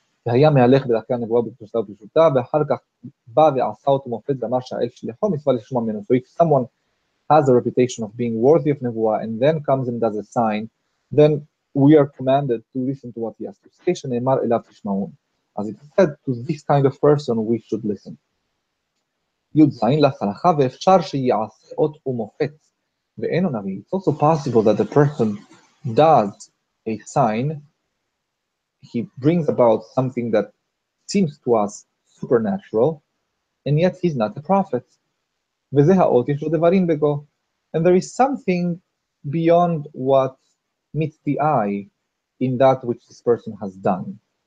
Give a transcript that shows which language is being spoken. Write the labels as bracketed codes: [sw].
[he] והיה מהלך בדרכי הנבואה בקדושה ובפשוטה, ואחר כך בא ועשה אותו מופת ואמר שהאל שלחו מצווה לשמוע ממנו. [en] So if someone has a reputation of being worthy of נבואה and then comes and does a sign, then we are commanded to listen to what he has to say, [he] שנאמר אליו תשמעון. [en] As it said, to this kind of person we should listen. [he] י"ז לסלחה ואפשר שיעשה אות ומופת ואינו נביא. [en] It's also possible that the person does a sign, he brings about something that seems to us supernatural, and yet he's not a prophet. And there is something beyond what meets the eye in that which this person has done.